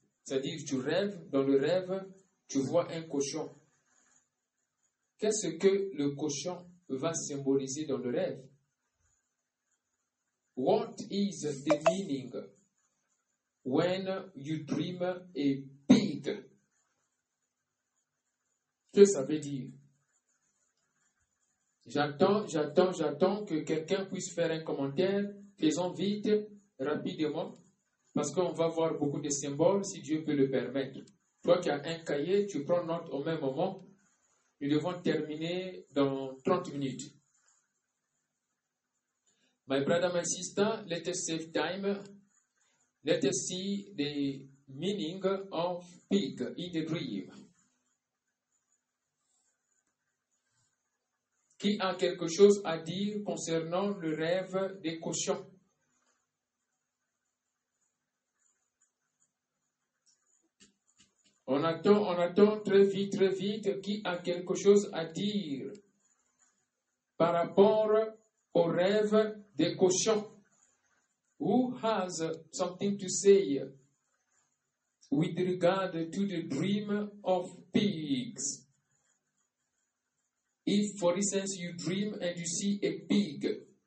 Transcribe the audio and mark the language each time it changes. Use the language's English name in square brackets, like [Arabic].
[French] C'est-à-dire, tu rêves, dans le rêve, tu vois un cochon. Qu'est-ce que le cochon va symboliser dans le rêve? [English] What is the meaning when you dream a pig? [French] Que ça veut dire? J'attends que quelqu'un puisse faire un commentaire. Faisons vite, rapidement, parce qu'on va voir beaucoup de symboles si Dieu peut le permettre. Toi qui as un cahier, tu prends note au même moment. Nous devons terminer dans 30 minutes. [English] My brother, my sister, let us save time. Let us see the meaning of pig in the dream. [French] Qui a quelque chose à dire concernant le rêve des cochons? On attend très vite, qui a quelque chose à dire par rapport au rêve des cochons? [English] Who has something to say with regard to the dream of pigs? If, for instance, you dream and you see a pig.